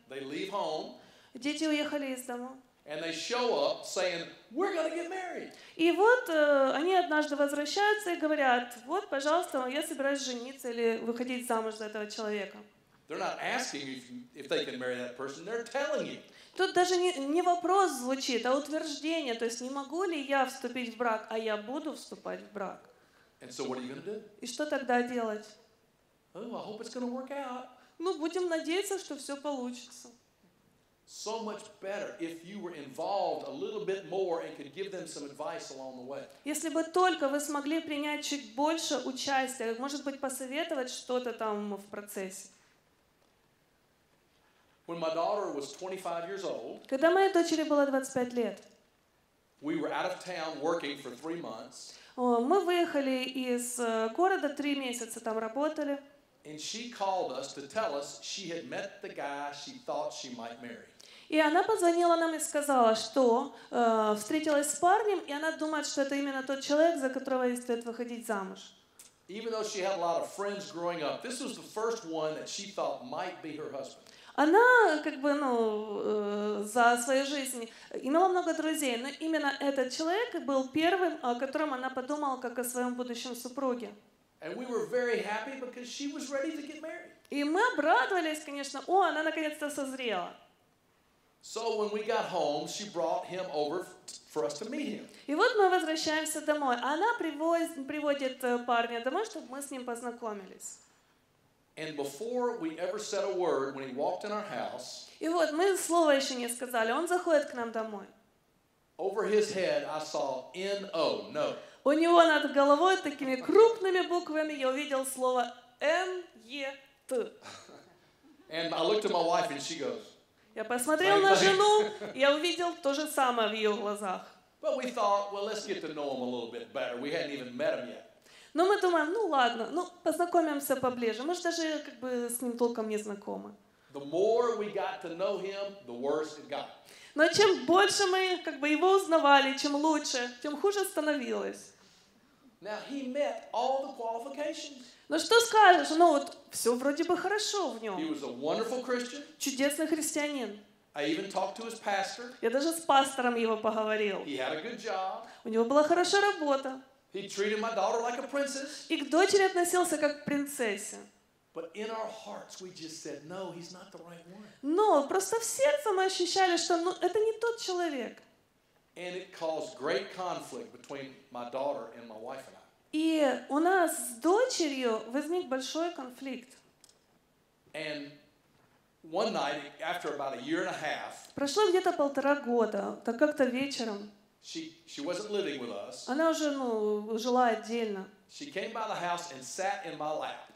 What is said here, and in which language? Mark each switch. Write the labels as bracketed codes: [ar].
[en] They leave home. [ru] Дети уехали из дома. [en] And they show up saying, "We're going to get married." [ru] И вот они однажды возвращаются и говорят: "Вот, пожалуйста, я собираюсь жениться или выходить замуж за этого человека." [en] They're not asking if they can marry that person. They're telling you. [ru] Тут даже не вопрос звучит, а утверждение, то есть не могу ли я вступить в брак, а я буду вступать в брак. [en] And so what are you going to do? [ru] И что тогда делать? [en] Oh, I hope it's going to work out. [ru] Ну, будем надеяться, что все получится. [en] So much better if you were involved a little bit more and could give them some advice along the way. [ru] Если бы только вы смогли принять чуть больше участия, может быть, посоветовать что-то там в процессе. [en] When my daughter was 25 years old, [ru] когда моей дочери было 25 лет, [en] we were out of town working for 3 months. [ru] Мы выехали из города 3 месяца там работали. [en] And she called us to tell us she had met the guy she thought she might marry. [ru] И она позвонила нам и сказала, что встретилась с парнем, и она думает, что это именно тот человек, за которого ей стоит выходить замуж. [en] Even though she had a lot of friends growing up, this was the first one that she thought might be her husband. [ru] Она, как бы, ну, за свою жизнь имела много друзей, но именно этот человек был первым, о котором она подумала, как о своем будущем супруге. [en] And we were very happy because she was ready to get married. [ru] И мы обрадовались, конечно, о, она наконец-то созрела. [en] So when we got home, she brought him over for us to meet him. [ru] И вот мы возвращаемся домой. Она приводит парня домой, чтобы мы с ним познакомились. [en] And before we ever said a word, when he walked in our house, [ru] и вот мы слова еще не сказали, он заходит к нам домой. [en] Over his head, I saw N-O, no. [ru] У него над головой такими крупными буквами я увидел слово N-E-T. [en] And I looked at my wife, and she goes. [ru] Я посмотрел на жену, я увидел то же самое в ее глазах. [en] But we thought, well, let's get to know him a little bit better. We hadn't even met him yet. [ru] Но мы думаем, ну ладно, ну познакомимся поближе. Мы же даже как бы с ним толком не знакомы. [en] The more we got to know him, the worse it got. [ru] Но чем больше мы как бы его узнавали, чем лучше, тем хуже становилось. [en] Now he met all the qualifications. [ru] Ну что скажешь? Ну вот все вроде бы хорошо в нем. [en] He was a wonderful Christian. [ru] Чудесный христианин. [en] I even talked to his pastor. [ru] Я даже с пастором его поговорил. [en] He had a good job. [ru] У него была хорошая работа. [en] He treated my daughter like a princess. [ru] И к дочери относился как к принцессе. [en] But in our hearts we just said, no, he's not the right one. [ru] Но просто в сердце мы ощущали, что ну это не тот человек. [en] And it caused great conflict between my daughter and my wife and I. [ru] И у нас с дочерью возник большой конфликт. [en] And one night after about a year and a half. [ru] Прошло где-то полтора года, так как-то вечером. [en] She wasn't living with us. [ru] Она уже, ну, жила отдельно. [en] She came by the house and sat in my lap.